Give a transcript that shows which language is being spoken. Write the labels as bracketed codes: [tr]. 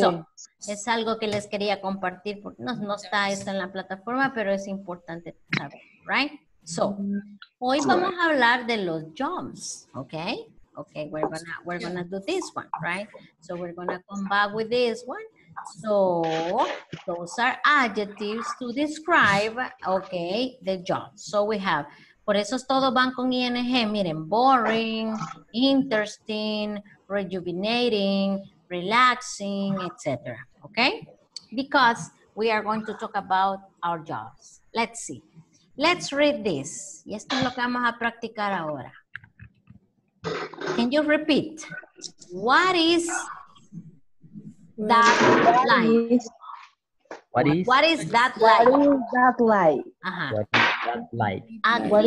[es] So, es algo que les quería compartir, porque no está eso en la plataforma, pero es importante saber, right? So, hoy vamos a hablar de los jobs, okay? [en] Okay, we're gonna do this one, right? So, we're gonna come back with this one. So, those are adjectives to describe, okay, the job. So we have, [es] por eso todos van con ING, miren, [en] boring, interesting, rejuvenating, relaxing, etc. Okay? Because we are going to talk about our jobs. Let's see. Let's read this. [es] Y esto es lo que vamos a practicar ahora. [en] Can you repeat? What is... What is that like?